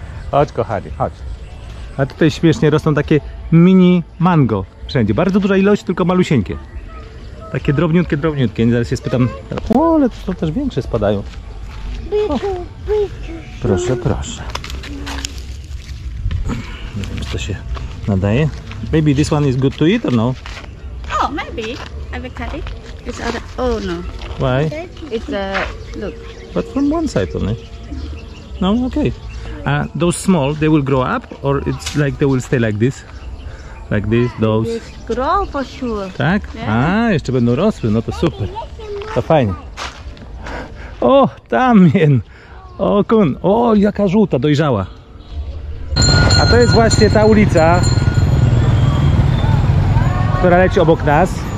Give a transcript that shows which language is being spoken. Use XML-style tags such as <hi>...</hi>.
<pl>Chodź kochani, chodź. A tutaj śmiesznie rosną takie mini mango wszędzie. Bardzo duża ilość, tylko malusieńkie. Takie drobniutkie, drobniutkie. Zaraz się spytam, o, ale to też większe spadają. O. Proszę, proszę. Nie wiem, czy to się nadaje.</pl> <en>Maybe this one is good to eat or no? Oh, maybe. Avocado. It's other. Oh no. Why? It's a look. But from one side only. No, okay. Those small, they will grow up or it's like they will stay like this? Like this, those. They grow for sure.</en> <pl>Tak?</pl> <en>Yeah.</en> <pl>A, jeszcze będą rosły, no to super. To fajnie. O, tamien. O, kun. O, jaka żółta, dojrzała. A to jest właśnie ta ulica, która leci obok nas.</pl>